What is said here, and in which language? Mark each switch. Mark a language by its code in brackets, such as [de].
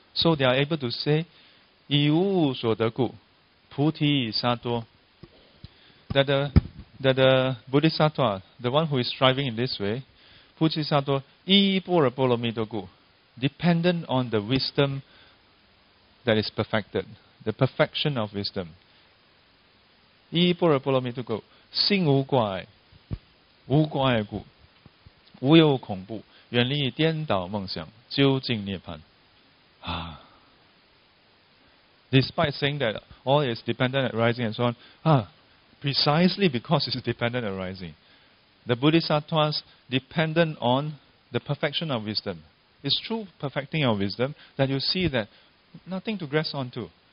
[en] So they are able to say, [zh] 一无所得故, 菩提萨埵, [en] that the Bodhisattva, the one who is striving in this way, [zh] 菩提萨埵, 依般若波罗蜜多故, [en] dependent on the wisdom that is perfected, the perfection of wisdom. [zh] 依般若波罗蜜多故, 心无挂碍, 无挂碍故, 无有恐怖, 远离颠倒梦想, 究竟涅槃. [en] Despite saying that all is dependent on arising and so on, precisely because it's dependent on arising, the Bodhisattvas dependent on the perfection of wisdom. It's through perfecting of wisdom that you see that nothing to grasp onto.